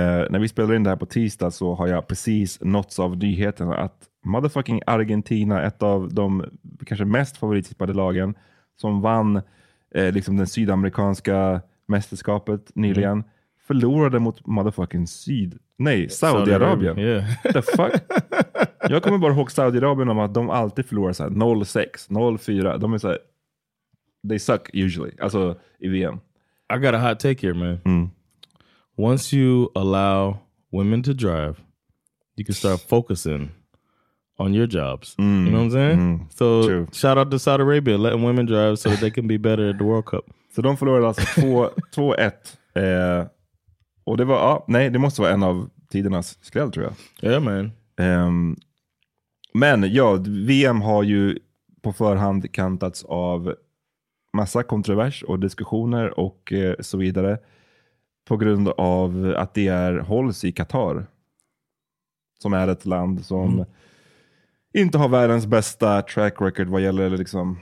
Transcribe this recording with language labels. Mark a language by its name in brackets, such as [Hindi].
[Swedish] När vi spelar in det här på tisdag så har jag precis nåtts av nyheten att [English] motherfucking [Swedish] Argentina, ett av de kanske mest favorittippade lagen som vann liksom den sydamerikanska mästerskapet nyligen, förlorade mot motherfucking Saudiarabien. [English] Yeah. The fuck? [Swedish] Jag kommer bara ihåg Saudiarabien om att de alltid förlorar såhär 0-6, 0-4. De är såhär, [English] they suck usually, [Swedish] alltså i VM. [English] I got a hot take here, man. Once you allow women to drive, you can start focusing on your jobs. You know what I'm saying? So, shout out to Saudi Arabia letting women drive so that they can be better at the World Cup. [Swedish] Så de förlorade alltså 2-1. Och det var, det måste vara en av tidernas skräll, tror jag. [English] Yeah, man. [Swedish] Men ja, VM har ju på förhand kantats av massa kontrovers och diskussioner och så vidare på grund av att det är hålls i Qatar, som är ett land som inte har världens bästa [English] track record [Swedish] vad gäller liksom